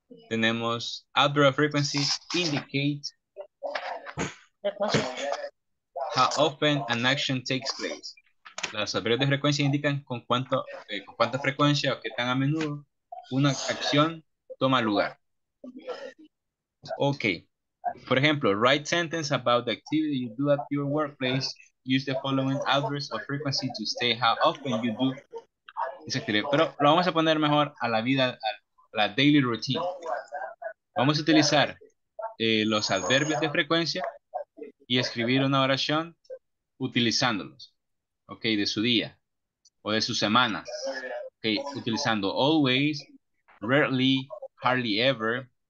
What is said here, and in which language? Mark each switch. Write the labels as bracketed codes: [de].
[es] Tenemos [en] adverb of frequency indicate how often an action takes place. [es] Las adverbios de frecuencia indican con cuánta frecuencia o qué tan a menudo una acción toma lugar. [en] Okay. For example, write sentence about the activity you do at your workplace. Use the following adverbs of frequency to state how often you do. [es] Pero lo vamos a poner mejor a la vida, a la [en] daily routine. [es] Vamos a utilizar los adverbios de frecuencia y escribir una oración utilizándolos, ok, de su día o de su semana, ok, utilizando [en] always, rarely, hardly ever.